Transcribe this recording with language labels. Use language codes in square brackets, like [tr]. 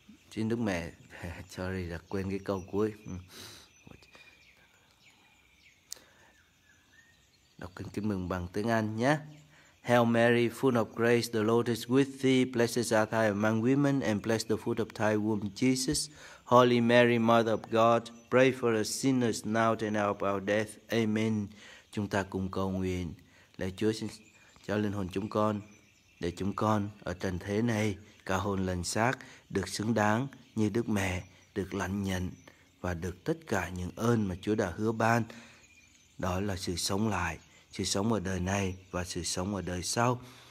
[vi] xin Đức Mẹ... Sorry, đã quên cái câu cuối. Đọc kinh kính mừng bằng tiếng Anh nhé. [en] Hail Mary, full of grace, the Lord is with thee. Blessed art thou among women, and blessed the fruit of thy womb, Jesus. Holy Mary, Mother of God, pray for us sinners now and at our death. Amen. [vi] Chúng ta cùng cầu nguyện. Lạy Chúa, xin cho linh hồn chúng con, để chúng con ở trần thế này, cả hồn lẫn xác, được xứng đáng như Đức Mẹ, được lãnh nhận và và được tất cả những ơn mà Chúa đã hứa ban, đó là sự sống lại, sự sống ở đời này và sự sống ở đời sau.